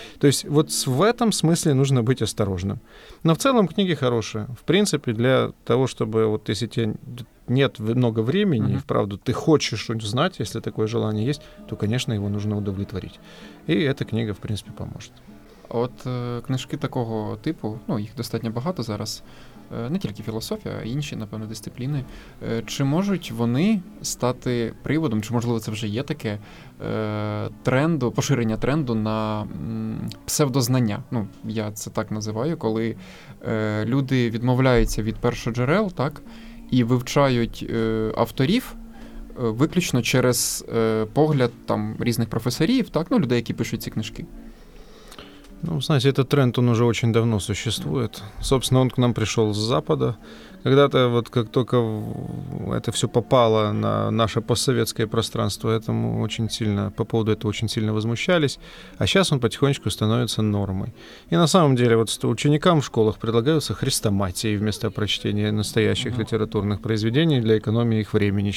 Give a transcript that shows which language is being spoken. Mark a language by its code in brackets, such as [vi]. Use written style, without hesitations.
[ru] То есть вот в этом смысле нужно быть осторожным. Но в целом книги хорошие. В принципе, для того, чтобы вот если тебе нет много времени, и вправду ты хочешь что-нибудь знать, если такое желание есть, то, конечно, его нужно удовлетворить. И эта книга, в принципе, поможет. [uk] От книжки такого типу, ну, їх достатньо багато зараз, не тільки філософія, а інші, напевно, дисципліни. Чи можуть вони стати приводом, чи, можливо, це вже є таке, тренду, поширення тренду на псевдознання? Ну, я це так називаю, коли люди відмовляються від першоджерел, так, і вивчають авторів виключно через погляд там різних професорів, так, ну, людей, які пишуть ці книжки. [ru] Ну, знаете, этот тренд, он уже очень давно существует. Собственно, он к нам пришел с Запада. Когда-то, вот как только это все попало на наше постсоветское пространство, этому очень сильно, по поводу этого очень сильно возмущались. А сейчас он потихонечку становится нормой. И на самом деле, вот ученикам в школах предлагаются хрестоматии вместо прочтения настоящих литературных произведений для экономии их времени.